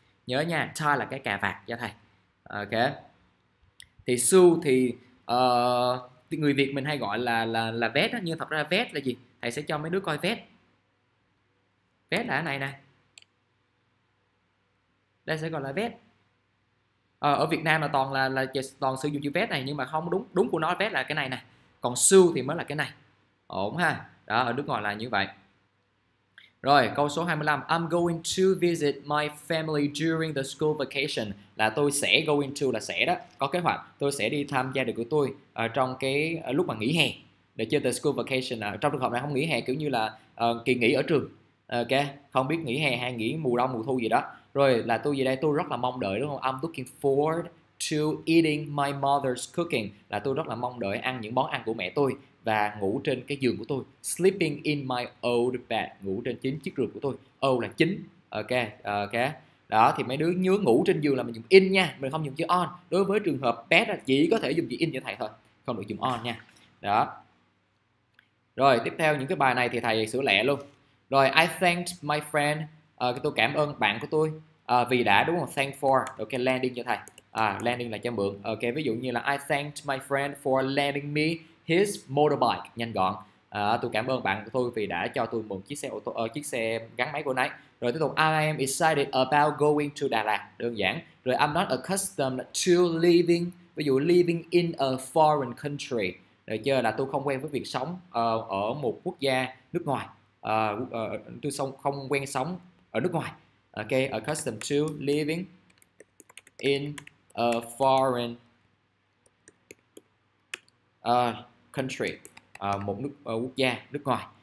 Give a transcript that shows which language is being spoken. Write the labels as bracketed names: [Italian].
[Vietnamese] Nhớ nha, tie là cái cà vạt cho thầy. Ok, thì suit thì người Việt mình hay gọi là vest đó, nhưng thật ra vest là gì? Thầy sẽ cho mấy đứa coi vest. Vest là cái này nè. Đây sẽ gọi là vest. Ở Việt Nam là toàn sử dụng chữ vest này, nhưng mà không, đúng đúng của nó vest là cái này nè. Còn suit thì mới là cái này. Ổn ha. Đó, ở nước ngoài là như vậy. Rồi, câu số 25. [English] I'm going to visit my family during the school vacation. [Vietnamese] Là tôi sẽ going to là sẽ đó, có kế hoạch. Tôi sẽ đi thăm gia đình của tôi trong cái lúc mà nghỉ hè. Để chơi [English] the school vacation. [Vietnamese] Trong trường hợp này không nghỉ hè, kiểu như là kỳ nghỉ ở trường. Ok, không biết nghỉ hè hay nghỉ mùa đông, mùa thu gì đó. Rồi, là tôi về đây, tôi rất là mong đợi, đúng không? [English] I'm looking forward to eating my mother's cooking. [Vietnamese] Là tôi rất là mong đợi ăn những món ăn của mẹ tôi. Và ngủ trên cái giường của tôi, [English] sleeping in my old bed, [Vietnamese] ngủ trên chính chiếc giường của tôi. Old là chính. Ok, ok. Đó, thì mấy đứa nhớ ngủ trên giường là mình dùng in nha, mình không dùng chữ on. Đối với trường hợp bed là chỉ có thể dùng chữ in cho thầy thôi, không được dùng on nha. Đó. Rồi, tiếp theo những cái bài này thì thầy sửa lẹ luôn. Rồi, [English] I thanked my friend, [Vietnamese] tôi cảm ơn bạn của tôi vì đã, đúng không? [English] Thank for, ok, lending [Vietnamese] cho thầy. [English] Lending [Vietnamese] là cho mượn. [English] Ok, [Vietnamese] ví dụ như là [English] I thanked my friend for lending me his motorbike, [Vietnamese] nhanh gọn. Tôi cảm ơn bạn của tôi vì đã cho tôi mượn chiếc xe ô tô, chiếc xe gắn máy của anh ấy. Rồi tiếp tục, [English] I am excited about going to Đà Lạt, [Vietnamese] đơn giản. [English] Rồi, I'm not accustomed to living, [Vietnamese] ví dụ [English] living in a foreign country. [Vietnamese] Rồi chưa, là tôi không quen với việc sống ở một quốc gia nước ngoài. Tôi không quen sống ở nước ngoài. [English] Ok, accustomed to living in a foreign country, [Vietnamese] quốc gia nước ngoài.